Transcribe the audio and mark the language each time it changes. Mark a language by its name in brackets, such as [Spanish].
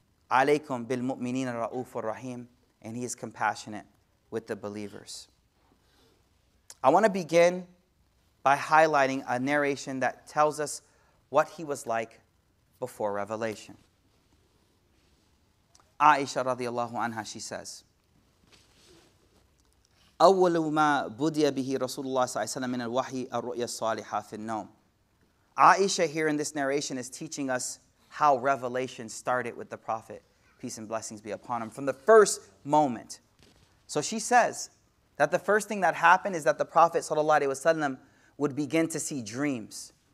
[Arabic] Alaykum bil mu'minin ra'ufur rahim, [English] and he is compassionate with the believers. I want to begin by highlighting a narration that tells us what he was like before revelation. Aisha radiallahu anha, she says, [Arabic] أول ما بدي به رسول الله صلى الله عليه وسلم من الوحي الرؤيا الصالحة في النوم. [English] Aisha here in this narration is teaching us how revelation started with the Prophet, peace and blessings be upon him, from the first moment. So she says that the first thing that happened is that the Prophet [Arabic] صلى الله عليه وسلم [English] would begin to see dreams.